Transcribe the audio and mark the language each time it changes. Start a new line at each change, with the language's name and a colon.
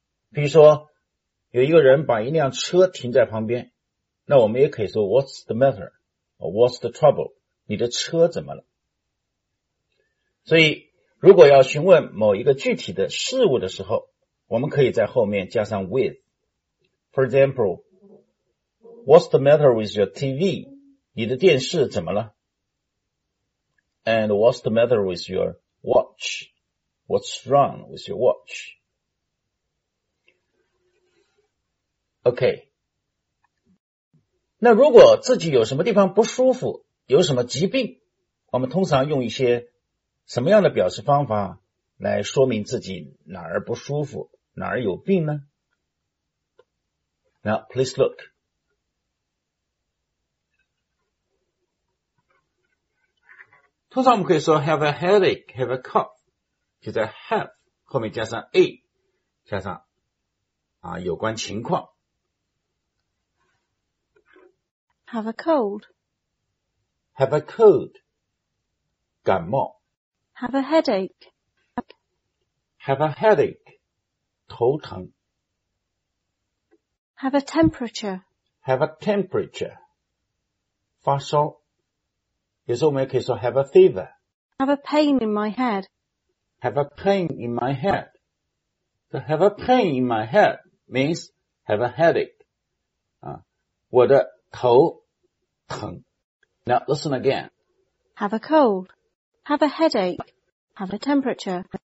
Chinese: 比如说有一个人把一辆车停在旁边，那我们也可以说
English: what's the matter, or what's the trouble,
Chinese: 你的车怎么了。所以如果要询问某一个具体的事物的时候，我们可以在后面加上 with。
English: For example, what's the matter with your TV?
Chinese: 你的电视怎么了？
English: And what's the matter with your watch? What's wrong with your watch? Okay.
Chinese: 那如果自己有什么地方不舒服，有什么疾病，我们通常用一些什么样的表示方法来说明自己哪儿不舒服，哪儿有病呢？
English: Now, please look. Sometimes we can say have a headache, have a cough.
Chinese: 就在 have 后面加上 a, 加上啊有关情况。
English: Have a cold. Have a cold. 感冒。 Have a headache. Have a headache. 头疼。 Have a temperature. Have a temperature. 发烧。
Chinese: 有时候我们也可以说
English: have a fever. Have a pain in my head. Have a pain in my head. So have a pain in my head means have a headache.
Chinese: 我的头疼。
English: Now listen again. Have a cold. Have a headache. Have a temperature.